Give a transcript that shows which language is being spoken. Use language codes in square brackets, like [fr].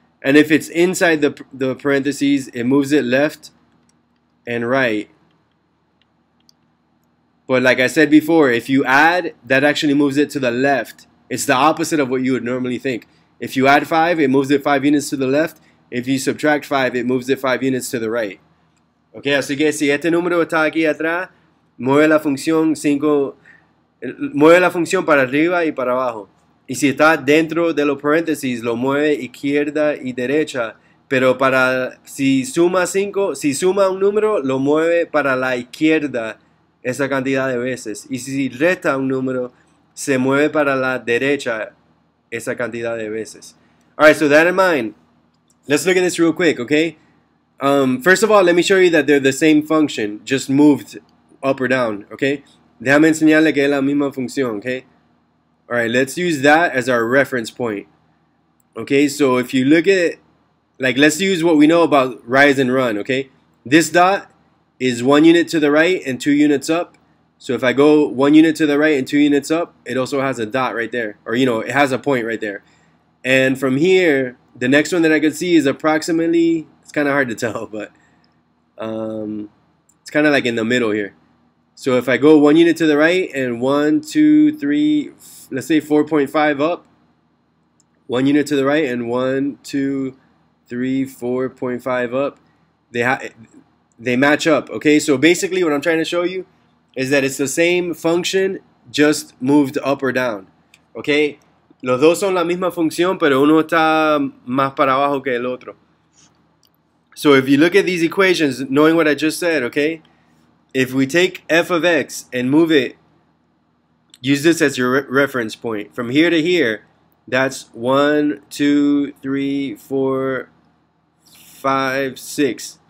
[en] And if it's inside the parentheses, it moves it left and right. But like I said before, if you add, that actually moves it to the left. It's the opposite of what you would normally think. If you add 5, it moves it 5 units to the left. If you subtract 5, it moves it 5 units to the right. [es] Okay, así que si este número está aquí atrás, mueve la función 5, mueve la función para arriba y para abajo. Y si está dentro de los paréntesis, lo mueve izquierda y derecha. Pero para si suma 5, si suma un número, lo mueve para la izquierda esa cantidad de veces. Y si resta un número, se mueve para la derecha. Esa cantidad de veces. [en] All right, so that in mind, let's look at this real quick, okay? First of all, let me show you that they're the same function, just moved up or down, okay? [es] Déjame enseñarle que es la misma función, okay? [en] All right, let's use that as our reference point, okay? So if you look at, like, let's use what we know about rise and run, okay? This dot is 1 unit to the right and 2 units up, So if I go 1 unit to the right and 2 units up, it also has a dot right there, or, you know, it has a point right there. And from here, the next one that I could see is approximately, it's kind of hard to tell, but it's kind of like in the middle here. So if I go 1 unit to the right and 4.5 up, 1 unit to the right and 4.5 up, they match up, okay? So basically what I'm trying to show you is that it's the same function, just moved up or down, okay? [es] Los dos son la misma función, pero uno está más para abajo que el otro. [en] So if you look at these equations, knowing what I just said, okay? If we take f of x and move it, use this as your reference point. From here to here, that's 1, 2, 3, 4, 5, 6.